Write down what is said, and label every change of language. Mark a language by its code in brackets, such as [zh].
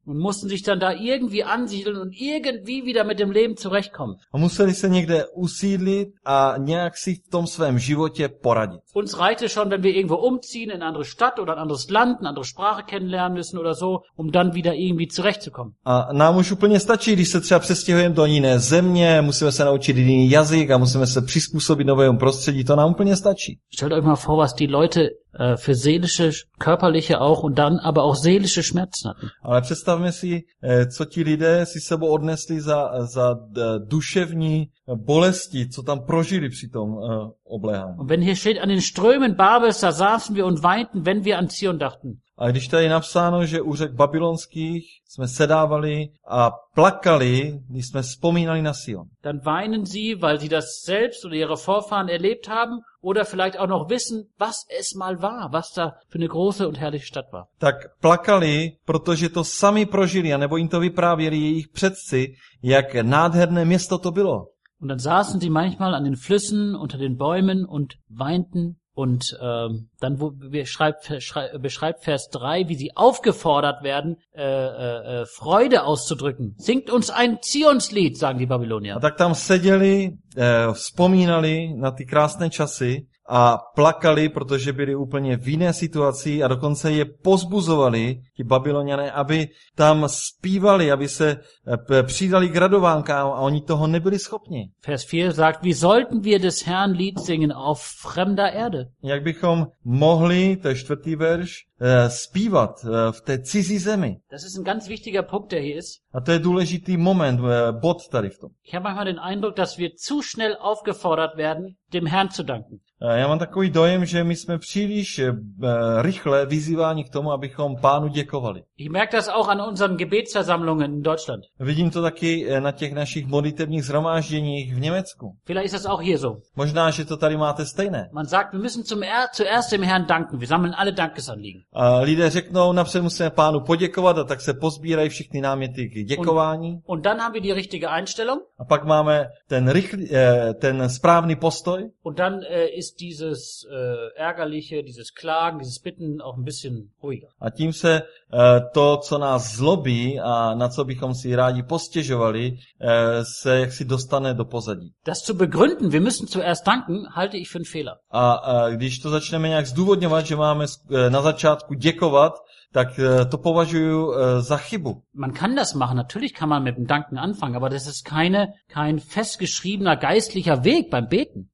[de] Und mussten sich dann da irgendwie ansiedeln und irgendwie wieder mit dem Leben zurechtkommen. [cs] A museli se někde usídlit a nějak si v tom svém životě poradit. [de] Uns reicht es schon, wenn wir irgendwo umziehen in andere Stadt oder ein anderes Land, eine andere Sprache kennenlernen müssen oder so, um dann wieder irgendwie zurechtzukommen. [cs] A nám už úplně stačí, když se třeba přestěhujeme do jiné země, musíme se naučit jiný jazyk a musíme se přizpůsobit novému prostředí, to nám úplně stačí. [de] Stellt euch mal vor, was die Leute für seelische, körperliche auch und dann aber auch seelische Schmerzen hatten. [cs] Ale představme si, co ti lidé si sebou odnesli za duševní bolesti, co tam prožili při tom obléhání. [de] Und wenn hier steht, an den Strömen Babels, da saßen wir und weinten, wenn wir an Zion dachten. [cs] A když tady je napsáno, že u řek babylonských jsme sedávali a plakali, když jsme vzpomínali na Sion. [de] Dann weinen sie, weil sie das selbst oder ihre Vorfahren erlebt haben oder vielleicht auch noch wissen, was es mal war, was da für eine große und herrliche Stadt war. [cs] Tak plakali, protože to sami prožili, anebo jim to vyprávěli jejich předci, jak nádherné město to bylo. [de] Und dann saßen sie manchmal an den Flüssen, unter den Bäumen und weinten. Und dann wo wir beschreibt Vers 3, wie sie aufgefordert werden, Freude auszudrücken. Singt uns ein Zionslied, sagen die Babylonier. [cs] A tak tam seděli, vzpomínali na ty krásné časy a plakali, protože byli úplně v jiné situaci a dokonce je pozbuzovali ti Babyloniané, aby tam zpívali, aby se přidali k radovánkám a oni toho nebyli schopni. [de] Vers 4 sagt, wie sollten wir des Herrn Lied singen auf fremder Erde? [cs] Jak bychom mohli, to je čtvrtý verš, zpívat v té cizí zemi. [de] Das ist ein ganz wichtiger Punkt, der hier ist. [cs] A to je důležitý moment, bod tady v tom. [de] Ich habe manchmal den Eindruck, dass wir zu schnell aufgefordert werden, dem Herrn zu danken. [cs] Já mám takový dojem, že my jsme příliš rychle vyzýváni k tomu, abychom Pánu děkovali. [de] Ich merke das auch an unseren Gebetsversammlungen in Deutschland. [cs] Vidím to taky na těch našich modlitevních shromážděních v Německu. [de] Vielleicht ist das auch hier so. [cs] Možná, že to tady máte stejné. [de] Man sagt, wir müssen zuerst dem Herrn danken. Wir sammeln alle Dankesanliegen. [cs] A lidé řeknou, napřed musíme Pánu poděkovat, a tak se pozbírají všichni náměty k děkování. [de] Und dann haben wir die richtige Einstellung. [cs] A pak máme ten správný postoj. [de] Und dann ist dieses ärgerliche, dieses klagen, dieses bitten auch ein bisschen ruhiger. [cs] A tím se to, co nás zlobí a na co bychom si rádi postěžovali, se jaksi dostane do pozadí. [de] Das zu begründen, wir müssen zuerst danken, halte ich für einen Fehler. [cs] A když to začneme nějak zdůvodňovat, že máme na začátku děkovat, tak to považuji za chybu. [de] Man kann das machen, natürlich kann man mit dem Danken anfangen, aber das ist kein festgeschriebener geistlicher Weg beim Beten.